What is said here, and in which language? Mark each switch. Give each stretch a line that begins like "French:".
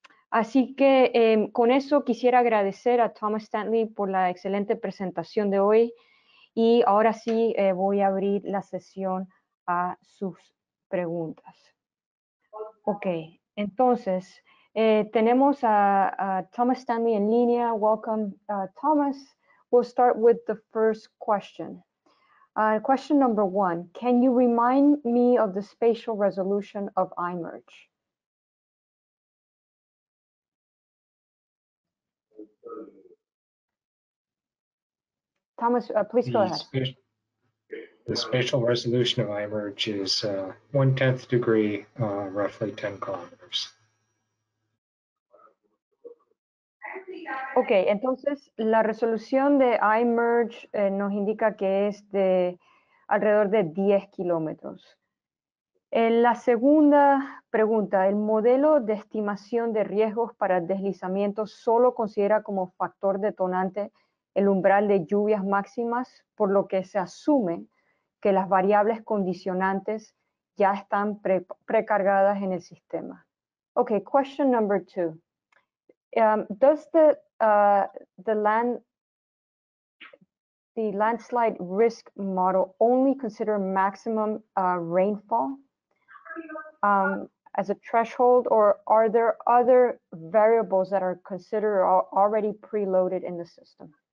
Spanish: Así que con eso quisiera agradecer a Thomas Stanley por la excelente presentación de hoy y ahora sí voy a abrir la sesión a sus preguntas. Ok, entonces tenemos a Thomas Stanley en línea.
English: Welcome, Thomas. We'll start with the first question. Question number one: Can you remind me of the spatial resolution of IMerge? Thomas, please go ahead. The spatial resolution of IMerge is 1/10 degree, roughly 10 kilometers.
Spanish: Okay, entonces la resolución de IMerge nos indica que es de alrededor de 10 kilómetros. En la segunda pregunta, ¿el modelo de estimación de riesgos para deslizamientos solo considera como factor detonante el umbral de lluvias máximas, por lo que se asume que las variables condicionantes ya están precargadas en el sistema?
English: Okay, question number two. Does the landslide risk model only consider maximum rainfall? as a threshold, or are there other variables that are considered or already preloaded in the system?